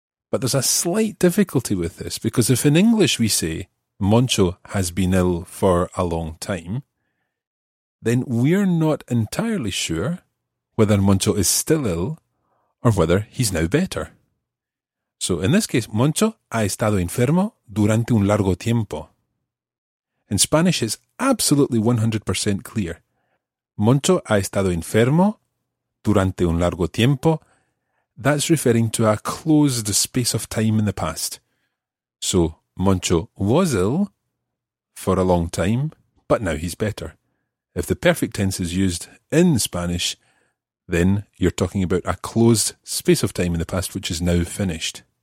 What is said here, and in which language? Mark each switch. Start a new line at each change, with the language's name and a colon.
English: But there's a slight difficulty with this, because if in English we say Moncho has been ill for a long time, then we're not entirely sure whether Moncho is still ill or whether he's now better. So in this case,
Spanish: Moncho ha estado enfermo durante un largo tiempo.
English: In Spanish, it's absolutely 100% clear.
Spanish: Moncho ha estado enfermo durante un largo tiempo.
English: That's referring to a closed space of time in the past. So Moncho was ill for a long time, but now he's better. If the perfect tense is used in Spanish, then you're talking about a closed space of time in the past, which is now finished.